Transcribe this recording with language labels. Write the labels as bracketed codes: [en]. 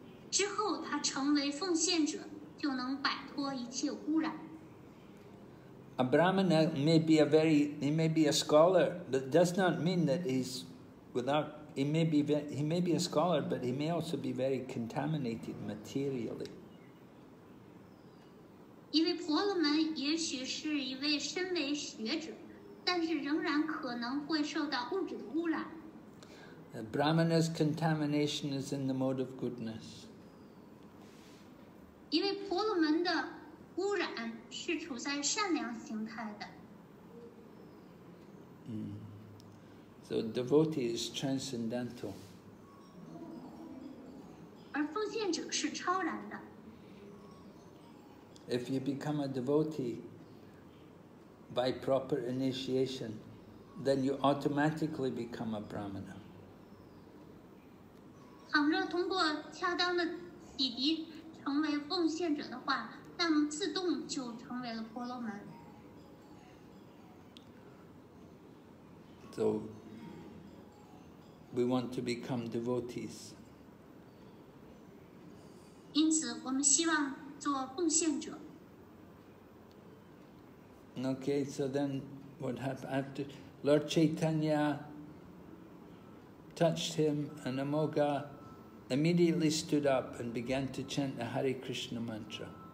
[zh] 之后他成为奉献者，就能摆脱一切污染。 [en] A Brahmana may be a scholar, but does not mean that he's without, he may be a scholar, but he may also be very contaminated materially. [zh] 因为婆罗门也许是一位身为学者，但是仍然可能会受到物质的污染。 [en] The Brahmana's contamination is in the mode of goodness. [zh] 因为婆罗门的污染是处在善良形态的。 [en] So devotee is transcendental. [zh] 而奉献者是超然的。 [en] If you become a devotee,by proper initiation, then you automatically become a Brahmana. [zh] 倘若通过恰当的洗涤成为奉献者的话，那么自动就成为了婆罗门。 [en] So, we want to become devotees. [zh] 因此，我们希望做奉献者。 [en] Okay, so then what happened after? Lord Chaitanya touched him and Amoga immediately stood up and began to chant the Hare Krishna mantra.